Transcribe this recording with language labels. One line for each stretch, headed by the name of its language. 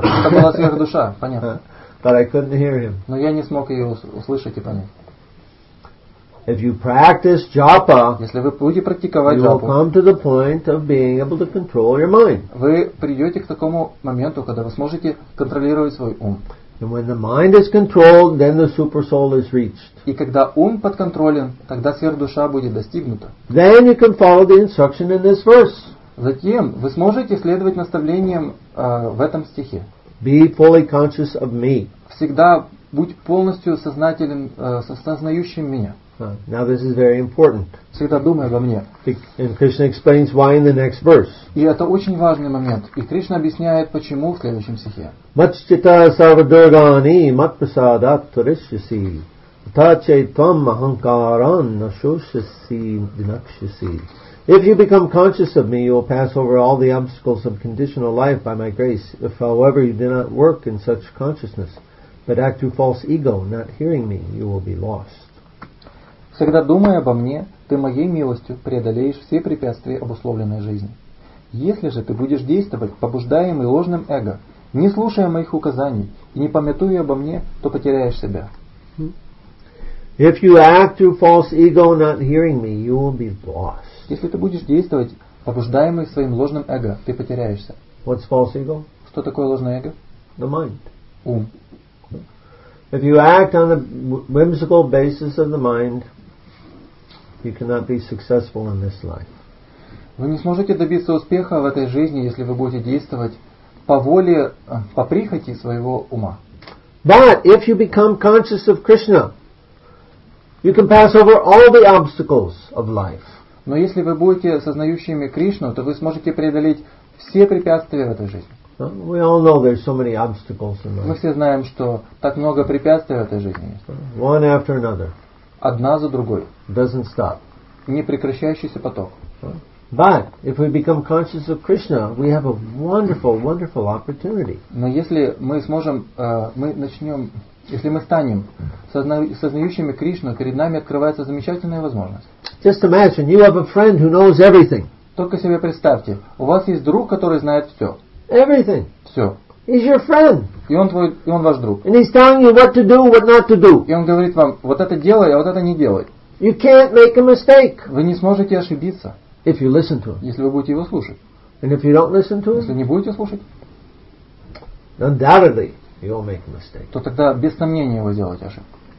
Russian: Это была сверхдуша, понятно.
English: But I couldn't hear him.
Russian: Но я не смог ее услышать и понять.
English: If you practice japa,
Russian: если вы будете практиковать
English: japa, you will come to the point of being able to control your mind.
Russian: Вы придете к такому моменту, когда вы сможете контролировать свой ум.
English: And when the mind is controlled, then the super soul is reached.
Russian: И когда ум подконтролен, тогда сверхдуша будет достигнута.
English: Then you can follow the instruction in this verse.
Russian: Затем вы сможете следовать наставлениям в этом стихе.
English: Be fully conscious of me.
Russian: Всегда будь полностью сознателен, сознающим меня.
English: Now this is very important.
Russian: Всегда думай обо мне.
English: And Krishna explains why in the next verse.
Russian: И это очень важный момент. И Кришна объясняет, почему в следующем стихе.
Sanskrit: Matchita sarvadurgani matprasadat turishyasi tatche tvam ahankaran nashushyasi dinakshyasi.
English: If you become conscious of me, you will pass over all the obstacles of conditional life by my grace. If, however, you do not work in such consciousness, but act through false ego, not hearing me, you will be lost.
Russian: Всегда думая обо мне, ты моей милостью преодолеешь все препятствия обусловленной жизни. Если же ты будешь действовать побуждаемый ложным эго, не слушая моих указаний и не памятуя обо мне, то потеряешь себя.
English: If you act through false ego, not hearing me, you will be lost.
Russian: Если ты будешь действовать побуждаемый своим ложным эго, ты потеряешься.
English: What's false ego?
Russian: Что такое ложное эго?
English: The mind.
Russian: Ум.
English: If you act on the whimsical basis of the mind, you cannot be successful in this life.
Russian: Вы не сможете добиться успеха в этой жизни, если вы будете действовать по воле, по прихоти своего ума.
English: But if you become conscious of Krishna, you can pass over all the obstacles of life.
Russian: Но если вы будете сознающими Кришну, то вы сможете преодолеть все препятствия в этой жизни.
English: We all know there's so many obstacles in life.
Russian: Мы все знаем, что так много препятствий в этой жизни.
English: One after another.
Russian: Одна за другой.
English: Doesn't stop.
Russian: Непрекращающийся поток.
English: But if we become conscious of Krishna, we have a wonderful, wonderful opportunity.
Russian: Но если мы сможем, мы начнем, если мы станем сознающими Кришну, перед нами открывается замечательная возможность.
English: Just imagine, you have a friend who knows everything.
Russian: Только себе представьте, у вас есть друг, который знает все.
English: Everything.
Russian: Все.
English: He's your friend.
Russian: И он ваш друг.
English: And he's telling you what to do, what not to do.
Russian: И он говорит вам, вот это делай, а вот это не делай.
English: You can't make a mistake.
Russian: Вы не сможете ошибиться.
English: If you listen to him.
Russian: Если вы будете его слушать.
English: And if you don't listen to him.
Russian: Если не будете слушать.
English: Undoubtedly, you'll make a mistake.
Russian: То тогда без сомнения вы сделаете ошибку.